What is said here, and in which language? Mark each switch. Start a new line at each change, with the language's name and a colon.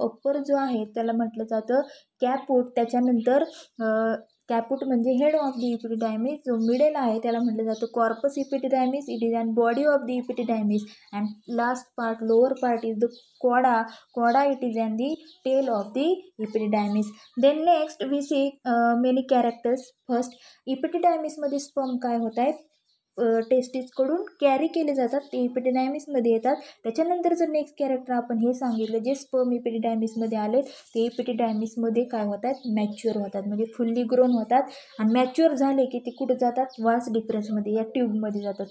Marathi: Upper जो आहे त्याला म्हटलं जातं कॅपूट, त्याच्यानंतर कॅपूट म्हणजे हेड ऑफ द इपिडिडायमिस. जो मिडल आहे त्याला म्हटलं जातं corpus इपिडिडायमिस.
English: It is and body of the epididymis. And last part, lower part is the cauda. Cauda it is and the tail of the epididymis. Then next we see many characters.
Marathi: First इपिडिडायमिसमध्ये sperm काय होत आहे, टेस्टीजकडून carry केले जातात, ते इपिडिडायमिसमध्ये येतात. त्याच्यानंतर जर next character आपण हे सांगितलं, जे स्पर्म इपिडिडायमिसमध्ये आले ते इपिडिडायमिसमध्ये काय होतात, मॅच्युअर होतात, म्हणजे फुल्ली ग्रोन होतात. आणि मॅच्युअर झाले की ते कुठं जातात, वास डिफरन्समध्ये, या ट्यूबमध्ये जातात.